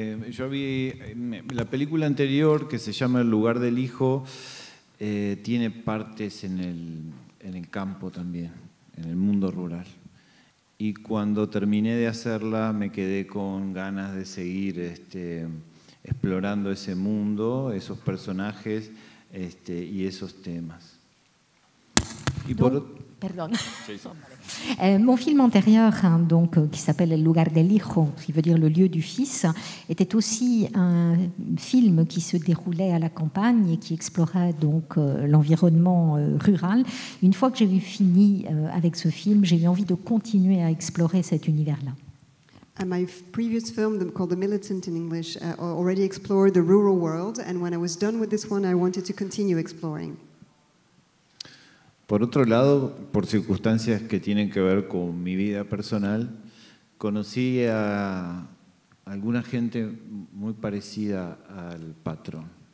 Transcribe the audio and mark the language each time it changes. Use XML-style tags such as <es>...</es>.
<es>yo vi la película anterior que se llama El lugar del hijo, tiene partes en el campo también. En el mundo rural. Y cuando terminé de hacerla, me quedé con ganas de seguir explorando ese mundo, esos personajes y esos temas. Y por otro. Perdón.</es> <fr>Mon film antérieur, donc, qui s'appelle El lugar del hijo, qui veut dire le lieu du fils, était aussi un film qui se déroulait à la campagne et qui explorait donc, l'environnement rural. Une fois que j'ai eu fini avec ce film, j'ai eu envie de continuer à explorer cet univers-là.</fr> <en>And my previous film, called The Militant in English, already explored the rural world, and when I was done with this one, I wanted to continue exploring.</en> <es>Por otro lado, por circunstancias que tienen que ver con mi vida personal, conocí a alguna gente muy parecida al patrón.</es>